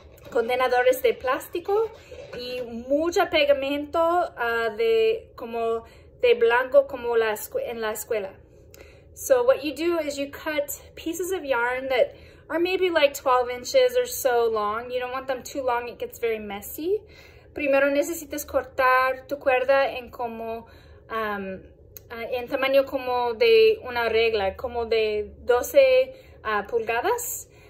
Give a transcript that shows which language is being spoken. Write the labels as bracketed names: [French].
[Spanish] Condenadores de plástico y mucho pegamento de blanco como en la escuela. [English] So what you do is you cut pieces of yarn that are maybe like 12 inches or so long. You don't want them too long, it gets very messy. [Spanish] Primero necesitas cortar tu cuerda en como en tamaño como de una regla, como de 12 pulgadas.